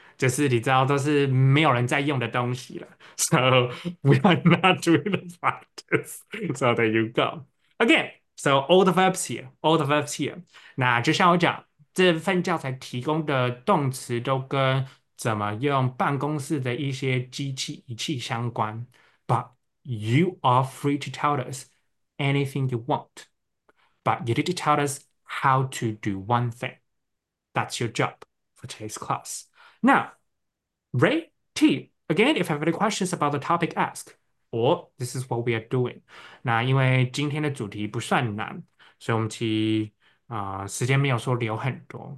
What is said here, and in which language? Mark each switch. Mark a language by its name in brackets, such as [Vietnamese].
[Chinese] 就是你知道都是没有人在用的东西了。 [English] So we are not doing the practice. So there you go. Again, so all the verbs here, all the verbs here. [Chinese] 那就像我讲，这份教材提供的动词都跟怎么用办公室的一些机器仪器相关。 [English] But you are free to tell us anything you want. But you need to tell us how to do one thing. That's your job for today's class. Now, rate T. Again, if you have any questions about the topic, ask. Or this is what we are doing. [Chinese] 那因为今天的主题不算难，所以我们其实时间没有说留很多。